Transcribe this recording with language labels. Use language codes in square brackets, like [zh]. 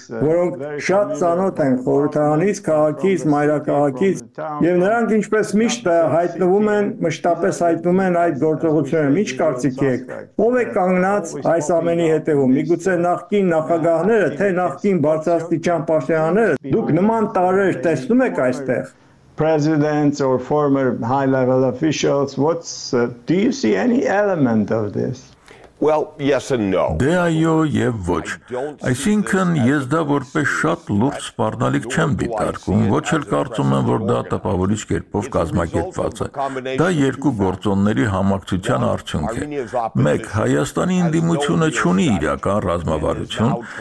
[hy] որոնք շատ ծանոթ են խորհրդարանից, քաղաքից, մայրաքաղաքից, և նրանք ինչպես միշտ հայտնվում են, մշտապես հայտնում են այդ գործողությունը։ Ինչ կարծիք եք, ով է կանգնած այս ամենի հետևում, միգուցե նախկին նախագահները, թե նախկին բարձրաստիճան պաշտոնյաները, դուք նման տարեր տեսնում եք այստեղ [en] presidents or former high level officials, what's do you see any element of this? Well, yes and no. [hy] Դե այո եւ ոչ։ Այսինքն ես դա որպես շատ լուրջ սպառնալիք չեմ դիտարկում, ոչ էլ կարծում եմ, որ դա տպավորիչ կերպով կազմակերպված է։ Դա երկու գործոնների համակցության արդյունք է։ Մեկ, Հայաստանի ինդիմությունը չունի իրական ռազմավարություն